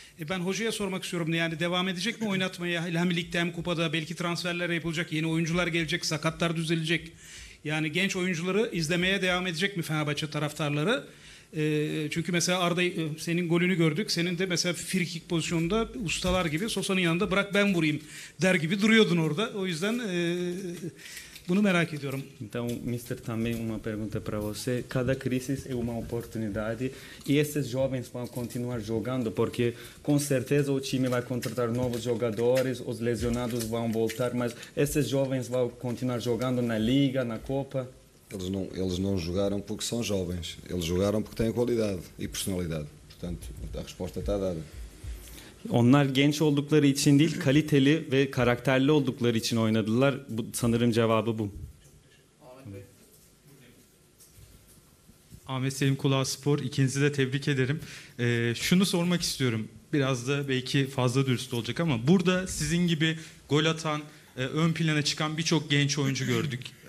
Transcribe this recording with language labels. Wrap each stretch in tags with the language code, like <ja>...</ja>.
<tr>Ben hocaya sormak istiyorum, yani devam edecek mi oynatmaya? Hem ligde hem kupada belki transferler yapılacak, yeni oyuncular gelecek, sakatlar düzelecek. Yani genç oyuncuları izlemeye devam edecek mi Fenerbahçe taraftarları? Çünkü mesela Arda, senin golünü gördük. Senin de mesela frikik pozisyonunda ustalar gibi Sosa'nın yanında bırak ben vurayım der gibi duruyordun orada. O yüzden bunu merak ediyorum.</tr> <pt>Então, Mister, também uma pergunta para você. Cada crise é uma oportunidade e esses jovens vão continuar jogando porque com certeza o time vai contratar novos jogadores, os lesionados vão voltar, mas esses jovens vão continuar jogando na Liga, na Copa? Eles não jogaram porque são jovens. Eles jogaram porque têm qualidade e personalidade. Portanto, a resposta está dada.</pt> <tr>Onlar genç oldukları için değil, kaliteli ve karakterli oldukları için oynadılar. Bu, sanırım cevabı bu. Ahmet Selim Kulağı Spor, ikinizi de tebrik ederim. Şunu sormak istiyorum. Biraz da belki fazla dürüst olacak ama burada sizin gibi gol atan, ön plana çıkan birçok genç oyuncu gördük.</tr>